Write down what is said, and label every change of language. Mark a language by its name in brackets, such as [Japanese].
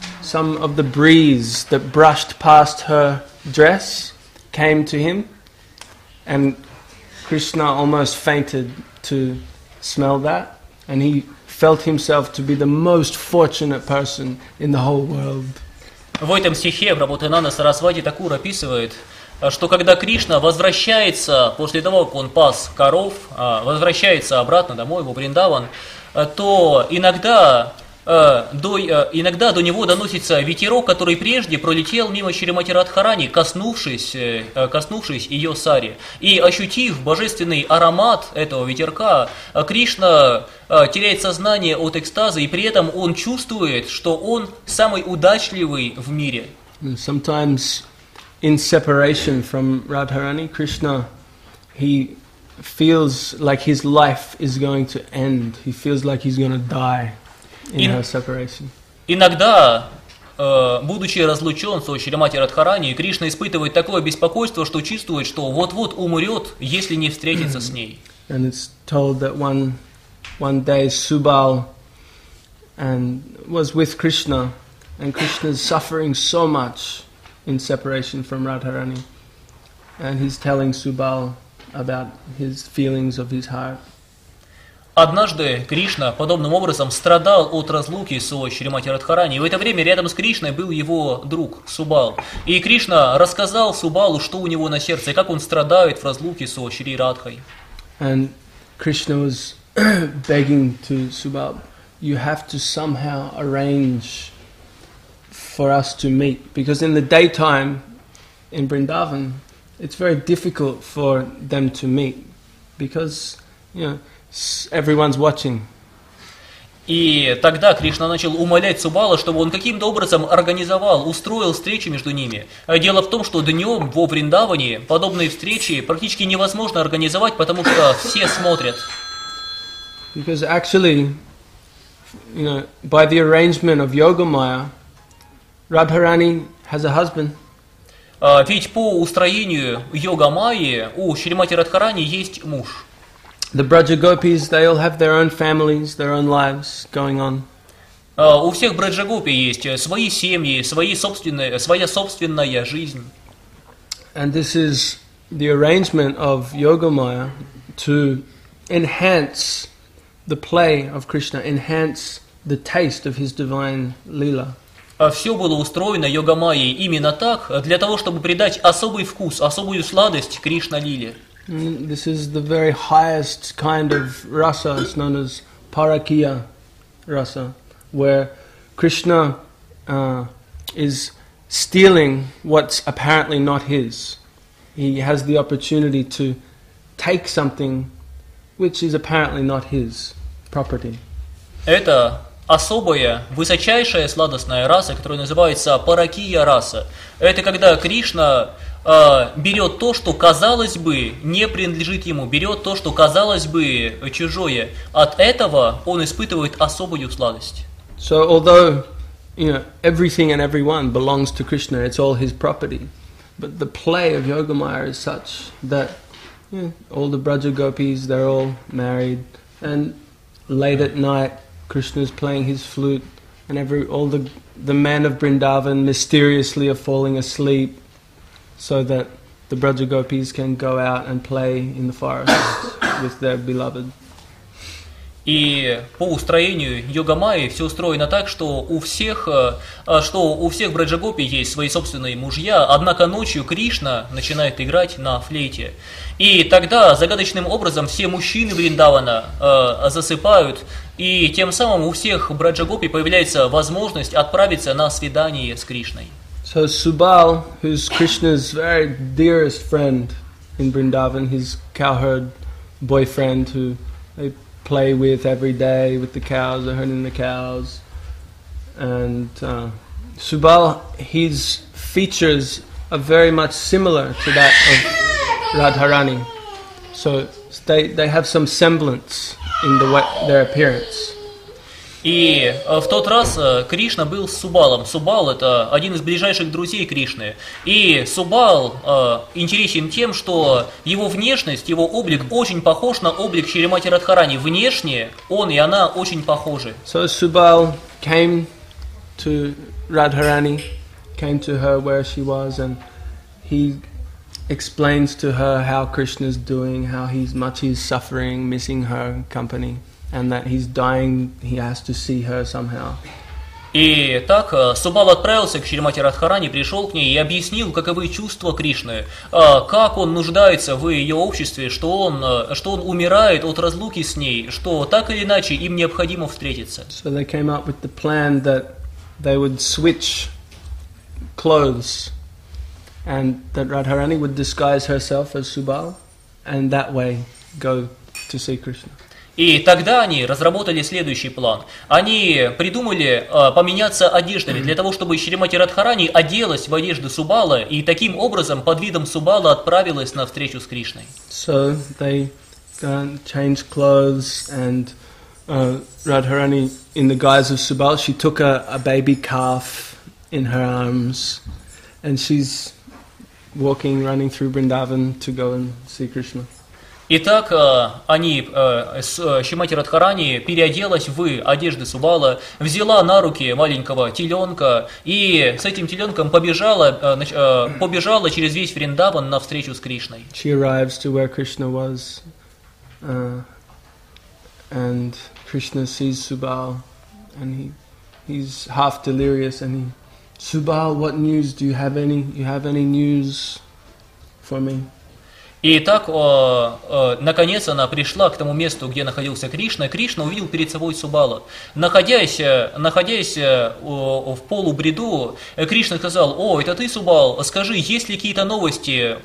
[English] Some of the breeze that brushed past her dress came to him, and Krishna almost fainted to smell that, and he felt himself to be the most fortunate person in the whole world. [Russian] В этом стихе Прабхутананда Сарасвати Такур описывает, что когда Кришна возвращается после того, как он пас коров, возвращается обратно домой, в Бриндаван, то иногда иногда до него доносится ветерок, который прежде пролетел мимо Шримати Радхарани, коснувшись ее сари. И ощутив божественный аромат этого ветерка, Кришна теряет сознание от экстаза, и при этом он чувствует, что он самый удачливый в мире. [English] Sometimes in separation from Radharani, Krishna, he feels like his life is going to end. He feels like he's going to die. In her separation. [Russian] Иногда, будучи разлучен со Шримати Радхарани, Кришна испытывает такое беспокойство, что чувствует, что вот-вот умрет, если не встретится с ней. [English] And it's told that one day Subal and was with Krishna, and Krishna's suffering so much in separation from Radharani, and he's telling Subal about his feelings of his heart. [Russian] Однажды Кришна подобным образом страдал от разлуки со Шримати Радхарани. В это время рядом с Кришной был его друг Субал. И Кришна рассказал Субалу, что у него на сердце, как он страдает в разлуке со Шри Радхой. [English] And Krishna was begging to Subal, you have to somehow arrange for us to meet. Because in the daytime in Vrindavan, it's very difficult for them to meet. Because, you know, everyone's watching. [Russian] И тогда Кришна начал умолять Субала, чтобы он каким-то образом организовал, устроил встречи между ними. Дело в том, что днем во Вриндаване подобные встречи практически невозможно организовать, потому что все смотрят. [English] Because actually, you know, by the arrangement of Yogamaya, Radharani has a husband. [Russian] Ведь по устроению Йогамайи у Шримати Радхарани есть муж. [English] The Braja Gopis, they all have their own families, their own lives going on. [Russian] У всех Браджа Гопи есть свои семьи, своя собственная жизнь. [English] And this is the arrangement of Yogamaya to enhance the play of Krishna, enhance the taste of his divine lila. [Russian] Все было устроено Йогамайей именно так, для того, чтобы придать особый вкус, особую сладость Кришна лиле. [English] This is the very highest kind of rasa, it's known as Parakiya rasa, where Krishna is stealing what's apparently not his. He has the opportunity to take something which is apparently not his property. [Russian] Это особая, высочайшая сладостная раса, которая называется Паракия раса. Это когда Кришна берет то, что, казалось бы, не принадлежит ему, берет то, что, казалось бы, чужое. От этого он испытывает особую сладость. [English] So, although, you know, everything and everyone belongs to Krishna, it's all his property, but the play of Yogamaya is such that, you know, all the Braja Gopis, they're all married, and late at night, Krishna's playing his flute, and all the men of Vrindavan mysteriously are falling asleep, so that the Braja Gopis can go out and play in the forest with their beloved. [Russian] И по устроению Йогамайи все устроено так, что у всех Браджа Гопи есть свои собственные мужья, однако ночью Кришна начинает играть на флейте. И тогда загадочным образом все мужчины Вриндавана засыпают, и тем самым у всех Браджа Гопи появляется возможность отправиться на свидание с Кришной. [English] So Subal, who's Krishna's very dearest friend in Vrindavan, his cowherd boyfriend who they play with every day with the cows, they're herding the cows. And Subal, his features are very much similar to that of Radharani. So they have some semblance in their appearance. [Russian] И в тот раз Кришна был с Субалом. Субал – это один из ближайших друзей Кришны. И Субал интересен тем, что его внешность, его облик очень похож на облик Шримати Радхарани. Внешне он и она очень похожи. [English] So Subal came to Radharani, came to her where she was, and he explains to her how Krishna's doing, how he's much he's suffering, missing her company. And that he's dying, he has to see her somehow. [Russian] И так Субал отправился к Шримати Радхарани, пришел к ней и объяснил, каковы чувства Кришны, как он нуждается в ее обществе, что он умирает от разлуки с ней, что так или иначе им необходимо встретиться. [English] So they came up with the plan that they would switch clothes, and that Radharani would disguise herself as Subal, and that way go to see Krishna. [Russian] И тогда они разработали следующий план. Они придумали поменяться одеждами для того, чтобы Шримати Радхарани оделась в одежду Субала и таким образом под видом Субала отправилась на встречу с Кришной. [English] So they changed clothes and Radharani in the guise of Subal, she took a baby calf in her arms and she's walking, running through Vrindavan to go and see Krishna. [Russian] Итак, они, Шримати Радхарани, переоделась в одежды Субала, взяла на руки маленького теленка и с этим теленком побежала через весь Вриндаван на встречу с Кришной. [English] She arrives to where Krishna was, and Krishna sees Subal, and he's half delirious, and he, Subal, what news do you have any? You have any news for me? [Russian] И так, наконец, она пришла к тому месту, где находился Кришна. Кришна увидел перед собой Субала. Находясь в полубреду, Кришна сказал, «О, это ты, Субал, скажи, есть ли какие-то новости?